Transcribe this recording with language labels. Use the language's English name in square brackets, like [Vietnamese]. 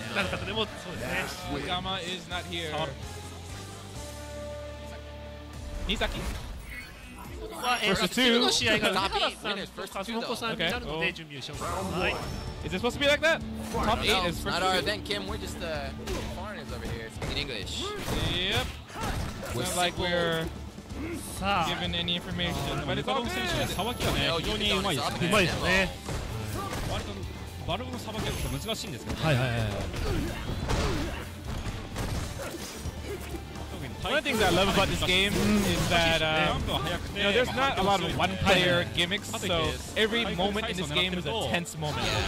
[Japanese] だ。なかった、でもそうです [English] ね。Gama is not here. [Japanese] ニサキ。まあ、次の試合が上原さんと勝ち残さんになるので準備をしよう。はい。 [English] Is it supposed to be like that? Top 8 is not our event, Kim. We're just the foreigners over here speaking English. Yep. Not like we're given any information. [Japanese] バルコム選手のさばきはね、非常にうまいですね。うまいですね。バルブのさばきは難しいんですけど、はいはいはい。 [English] One thing that I love about this game is that there's not a lot of one-player gimmicks, so every moment in this game is a tense moment.